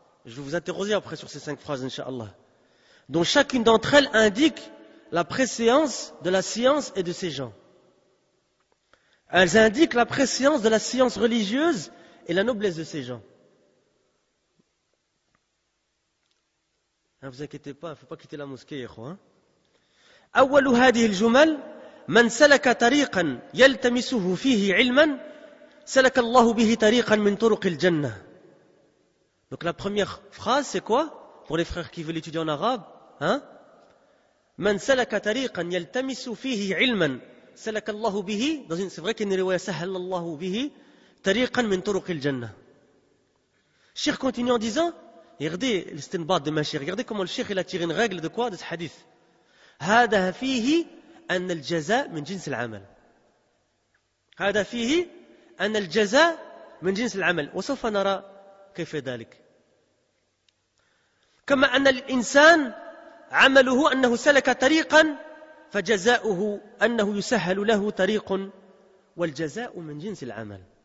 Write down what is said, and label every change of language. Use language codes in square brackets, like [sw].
[fr] Je vais vous interroger après sur ces 5 phrases, inshallah. Dont chacune d'entre elles indique la préséance de la science et de ses gens. Elles indiquent la préséance de la science religieuse et la noblesse de ses gens. Vous inquiétez pas, il ne faut pas quitter la mosquée, ikhwa. [ar] أول هذه الجمل من سلك طريقا يلتمسه فيه علما سلك الله به طريقا من طرق الجنة. [fr] Donc la première phrase c'est quoi pour les frères qui veulent étudier en arabe, [ar] من سلك طريقا يلتمس فيه علما سلك الله به. [fr] C'est vrai qu'il y a une riwaya [ar] سهل الله به طريقا من طرق الجنة. [fr] Cheikh continue en disant, regardez l'istinbat de ma chère, regardez comment le cheikh il a tiré une règle de quoi? De ce hadith. [ar] هذا فيه أن الجزاء من جنس العمل. هذا فيه أن الجزاء من جنس العمل. وسوف نرى كيف ذلك. كما أن الإنسان عمله أنه سلك طريقا فجزاؤه أنه يسهل له طريق والجزاء من جنس العمل.